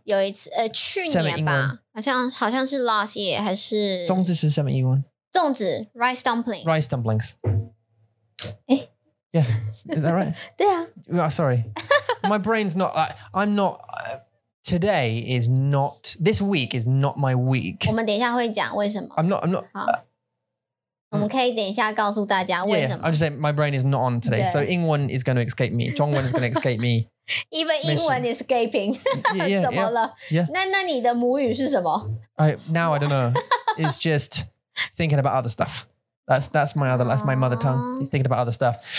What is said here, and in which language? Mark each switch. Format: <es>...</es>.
<zh>有一次,去年吧,好像是</zh> <en>last year,</en> <zh>还是, 中次是什么英文?</zh> <en>中次, rice dumplings. Rice dumplings.</en> <zh>诶?</zh> <en>Yeah, is that right?</en> <zh>对啊.</zh> <en>Oh, sorry. My brain's not, I'm not, today is not, this week is not my week.</en> <zh>我们等一下会讲为什么?</zh> <en>I'm not.</en> <zh>我们可以等一下告诉大家为什么。</zh> <en>I'm just saying my brain is not on today. So 英文 is going to escape me. 中文 is going to escape me. Even 英文 is escaping. Yeah,</en> <zh>怎么了?那你的母语是什么?</zh> <en>Now I don't know. It's just thinking about other stuff. That's my mother tongue. It's thinking about other stuff.</en>